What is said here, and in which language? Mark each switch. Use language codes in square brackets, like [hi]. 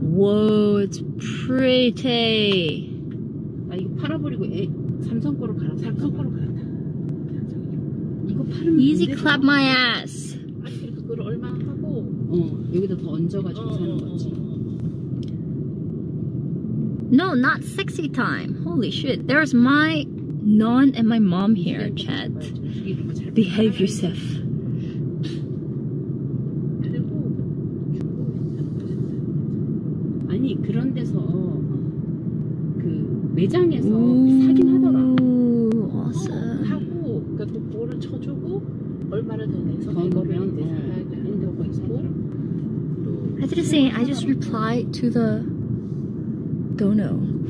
[en] Whoa, it's pretty. [ko] 나 이거 팔아버리고 삼성 거로 가라. 삼성 거로 가라. 이거 팔으면 [en] easy clap my ass. [ko] 여기다 더 얹어가지고 사는 거지. [en] No, not sexy time. Holy shit. There's my non and my mom here, chat. Behave yourself. [ko] 아니, 그런 데서 그 매장에서 사긴 하더라. 어, 하고, 그러니까 또 뭐를 쳐주고 얼마를 더 내서 그거면 이제 사야 되는 거고 있고. [en] I didn't say I just replied to the dono.